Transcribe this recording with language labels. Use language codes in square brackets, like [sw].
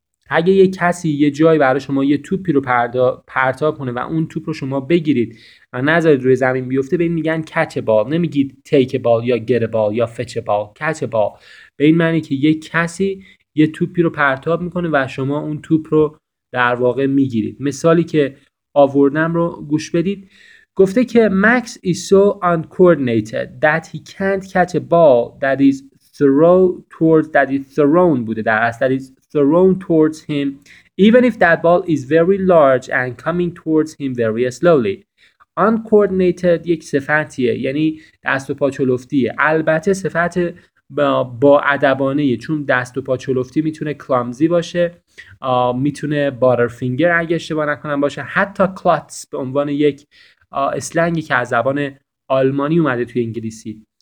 [fa] اگه یه کسی یه جای برای شما یه توپی رو پرتاب کنه و اون توپ رو شما بگیرید و نذارید روی زمین بیفته به این میگن [en] catch a ball، [fa] نمیگید [en] take a ball [fa] یا [en] get a ball [fa] یا [en] fetch a ball. catch a ball [fa] به این معنی که یک کسی یه توپی رو پرتاب میکنه و شما اون توپ رو در واقع میگیرید. مثالی که آوردم رو گوش بدید. [en] گفته که Max is so uncoordinated that he can't catch a ball that is thrown towards that is thrown [fa] بوده در اصل [en] that is thrown towards him even if that ball is very large and coming towards him very slowly. [fa] uncoordinated یک صفتیه، یعنی دست و پا چلفتیه. البته صفت با ادبانه، چون دست و پا چلفتی میتونه کلامزی باشه، میتونه باترفینگر اگه اشتباه نکنم باشه، حتی کلاتس به عنوان یک اسلنگی که از زبان آلمانی اومده توی انگلیسی.